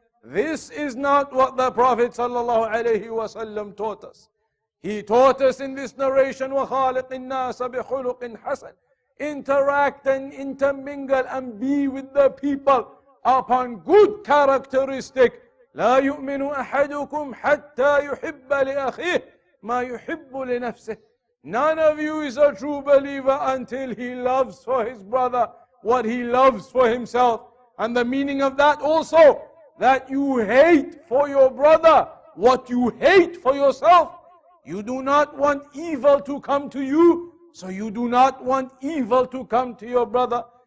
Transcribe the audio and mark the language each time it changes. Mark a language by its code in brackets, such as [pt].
[en] This is not what the Prophet sallallahu alayhi wa sallam taught us. He taught us in this narration, [ar] وَخَالِقِ النَّاسَ بِخُلُقٍ حَسَنٍ. [en] Interact and intermingle and be with the people upon good characteristic. [ar] لا يؤمن أحدكم حتى يحب لأخيه ما يحب لنفسه. [en] None of you is a true believer until he loves for his brother what he loves for himself. And the meaning of that also, that you hate for your brother what you hate for yourself. You do not want evil to come to you, so you do not want evil to come to your brother.